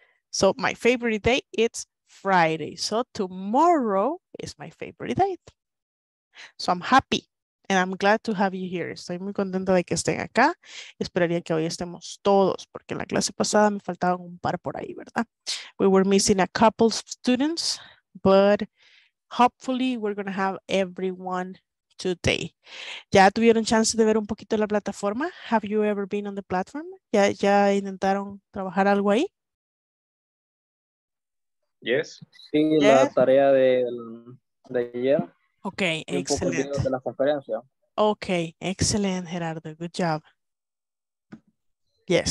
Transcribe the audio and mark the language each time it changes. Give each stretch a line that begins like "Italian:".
English: So my favorite day, it's Friday. So tomorrow is my favorite day. So I'm happy. And I'm glad to have you here.
Spanish: Estoy muy contenta de que estén acá. Esperaría que hoy estemos todos, porque en la clase pasada me faltaban un par por ahí, ¿verdad?
English: We were missing a couple of students, but hopefully we're going to have everyone today.
Spanish: ¿Ya tuvieron chance de ver un poquito la plataforma?
English: Have you ever been on the platform?
Spanish: ¿Ya intentaron trabajar algo ahí?
English: Yes.
Spanish: Sí, yeah. La tarea de ayer.
English: Okay, excellent. Okay, excellent, Gerardo. Good job. Yes.